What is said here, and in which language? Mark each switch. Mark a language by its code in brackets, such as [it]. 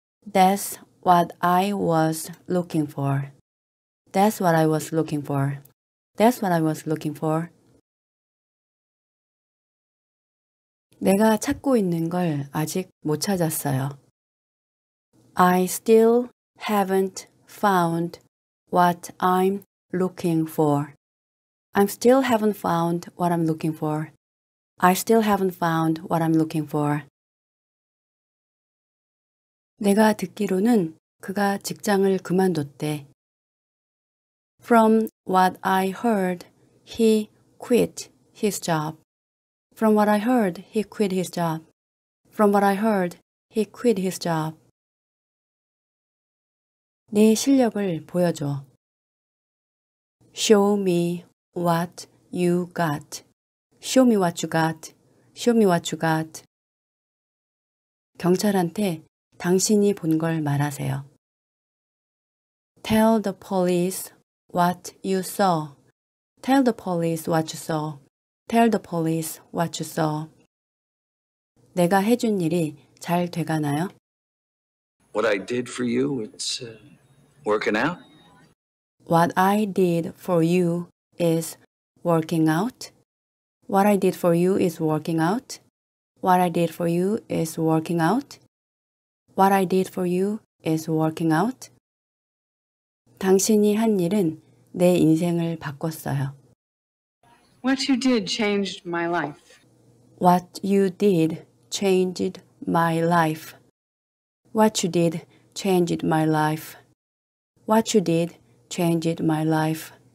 [en] That's what I was looking for. That's what I was looking for. That's what I was looking for. [ko] 내가 찾고 있는 걸 아직 못 찾았어요. [en] I still haven't found what I'm looking for. I still haven't found what I'm looking for. I still haven't found what I'm looking for. [ko] 내가 듣기로는 그가 직장을 그만뒀대. [en] From what I heard, he quit his job. From what I heard, he quit his job. From what I heard, he quit his job. [ko] 네 실력을 보여줘. [en] Show me what you got. Show me what you got. Show me what you got. [ko] 경찰한테 당신이 본 걸 말하세요. [en] Tell the police what you saw. Tell the police what you saw. Tell the police what you saw. [ko] 내가 해준 일이 잘 돼가나요? [en] What I did for you, it's working out? What I did for you is working out? What I did for you is working out. What I did for you is working out. What I did for you is working out. [ko] 당신이 한 일은 내 인생을 바꿨어요. [en] What you did changed my life. What you did changed my life. What you did changed my life. What you did changed my life.